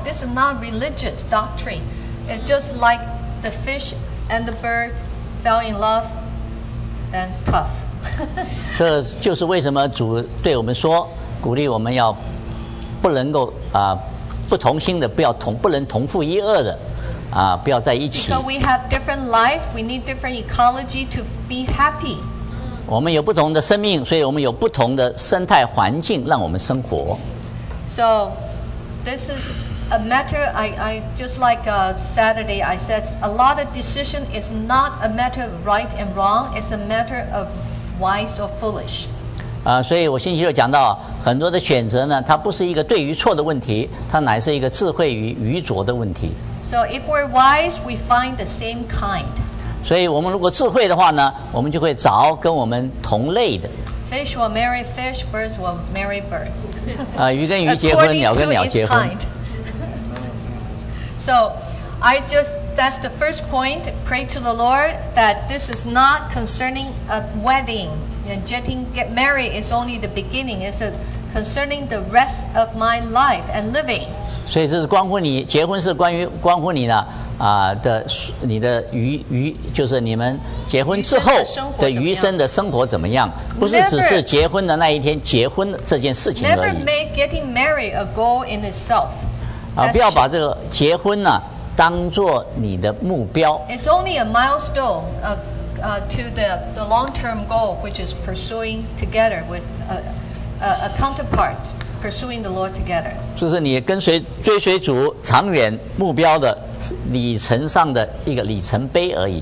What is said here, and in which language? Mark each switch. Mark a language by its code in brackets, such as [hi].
[en] This is not religious doctrine. It's just like the fish and the bird fell in love and tough. [zh] 这就是为什么主对我们说。鼓励我们要不能够不同心的，不能同父一轭的不要在一起。 [en] So we have different life, we need different ecology to be happy. [zh] 我们有不同的生命，所以我们有不同的生态环境让我们生活。 [en] So this is a matter, I just like Saturday, I said a lot of decision is not a matter of right and wrong, it's a matter of wise or foolish. [zh] 所以我星期六讲到很多的选择呢，它不是一个对与错的问题，它乃是一个智慧与愚拙的问题。 [en] So if we're wise, we find the same kind. [zh] 所以我们如果智慧的话呢，我们就会找跟我们同类的。 [en] Fish will marry fish, birds will marry birds. [zh] 鱼跟鱼结婚，鸟跟鸟结婚。 [en] So I just, that's the first point. Pray to the Lord that this is not concerning a wedding. And get married is only the beginning. It's concerning the rest of my life and living. [zh] 所以这是关乎你结婚是关乎你的的你的余就是你们结婚之后的余生的生活怎么样？不是只是结婚的那一天结婚这件事情而已。 [en] Never make getting married a goal in itself. [zh] 不要把这个结婚呢当做你的目标。 [en] It's only a milestone. To the long-term goal, which is pursuing together with a counterpart, pursuing the Lord together. [zh] 就是你跟随追随主长远目标的里程上的一个里程碑而已。